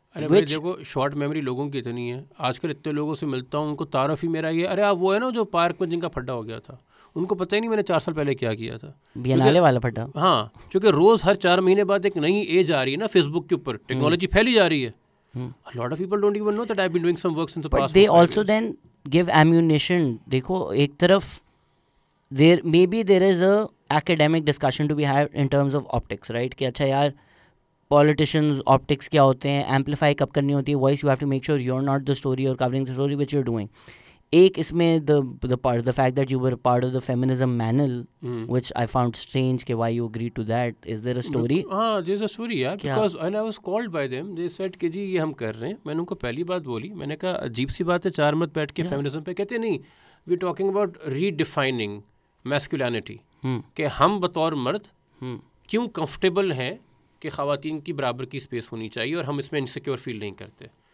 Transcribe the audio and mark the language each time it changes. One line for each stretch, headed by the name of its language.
Urdu: ارے دیکھو short memory لوگوں کی اتنی ہے, آج کل اتنے لوگوں سے ملتا ہوں ان کو تعارف ہی میرا یہ, ارے آپ وہ ہے نا جو پارک میں جن کا پھڈا ہو گیا تھا, ان کو پتہ ہی نہیں میں نے 4 سال پہلے کیا کیا تھا. بینالے والا پھٹا. ہاں چونکہ روز ہر 4 مہینے بعد ایک نئی ایج آ رہی ہے نا فیس بک کے اوپر, ٹیکنالوجی پھیلی جا رہی ہے.
English: A lot of people don't even know that I've been doing some work since the past. But they also then give ammunition.
Urdu: دیکھو ایک طرف
English: there may be there is a academic discussion to be had in terms of optics, right?
Urdu: کہ اچھا یار
English: politicians optics
Urdu: کیا ہوتے ہیں,
English: amplify
Urdu: کب کرنی ہوتی ہے,
English: voice you have to make sure you're not the story or covering the story which you're doing.
Urdu: ایک اس میں
English: the fact that you were part of the feminism manual, which I found strange کہ why you agreed to that, is there a story? ہاں there's a story یار, because when I was called by them they said
Urdu: کہ جی یہ ہم کر رہے ہیں. میں نے ان کو پہلی بات بولی, میں نے کہا عجیب سی بات ہے چار مت بیٹھ کے فیمنزم پہ. کہتے نہیں,
English: we talking about redefining masculinity,
Urdu: کہ ہم بطور مرد کیوں کمفرٹیبل ہیں کہ خواتین کی برابر کی اسپیس ہونی چاہیے اور ہم اس میں انسیکیور فیل نہیں کرتے.